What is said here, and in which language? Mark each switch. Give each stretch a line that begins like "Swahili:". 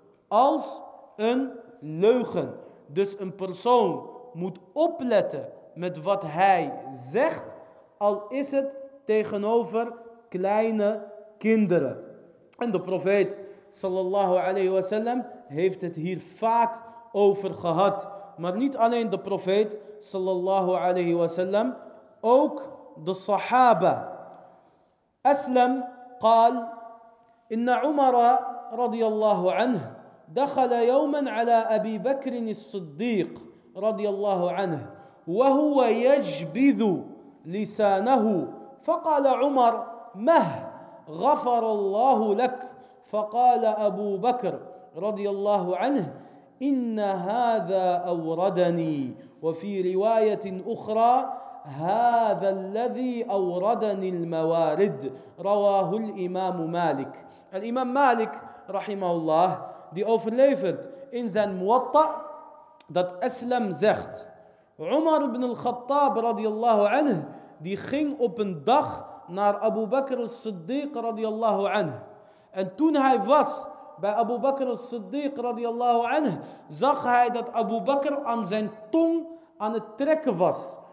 Dutch: Als een leugen. Dus een persoon moet opletten met wat hij zegt, al is het tegenover kleine kinderen. En de profeet sallallahu alayhi wa sallam heeft het hier vaak over gehad. Maar niet alleen de profeet sallallahu alayhi wa sallam, ook de sahaba.
Arabic: Aslam qal inna Umara radiyallahu anhu دخل يوما على أبي بكر الصديق رضي الله عنه وهو يجبذ لسانه فقال عمر مه غفر الله لك فقال أبو بكر رضي الله عنه إن هذا أوردني وفي رواية أخرى هذا الذي أوردني الموارد رواه الإمام مالك. الإمام مالك رحمه الله
Dutch: die overlevert in zijn Muwatta dat Aslam zegt: Umar ibn al-Khattab radiyallahu anhu die ging op een dag naar Abu Bakr al-Siddiq radiyallahu anhu. En toen hij was bij Abu Bakr al-Siddiq radiyallahu anhu, zag hij dat Abu Bakr aan zijn tong aan het trekken was.